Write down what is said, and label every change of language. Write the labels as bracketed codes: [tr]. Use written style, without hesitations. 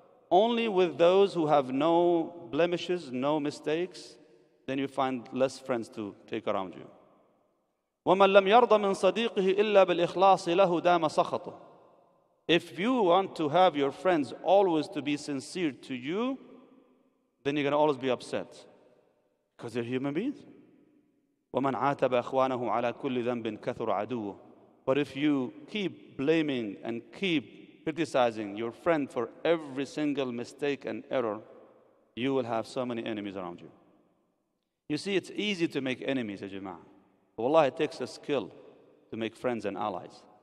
[en] Only with those who have no blemishes, no mistakes, then you find less friends to take around you. [ar] وَمَنْ لَمْ يَرْضَ مِنْ صَدِيقِهِ إِلَّا بِالْإِخْلَاصِ لَهُ دَامَ صَخَطُ. [en] If you want to have your friends always to be sincere to you, then you're going to always be upset. Because they're human beings. [ar] وَمَنْ عَاتَبَ أَخْوَانَهُ عَلَى كُلِّ ذَنْبٍ كَثُرْ عَدُوهُ. [en] But if you keep blaming and keep criticizing your friend for every single mistake and error, you will have so many enemies around you. You see, it's easy to make enemies, ya jama'ah. Wallah, it takes a skill to make friends and allies.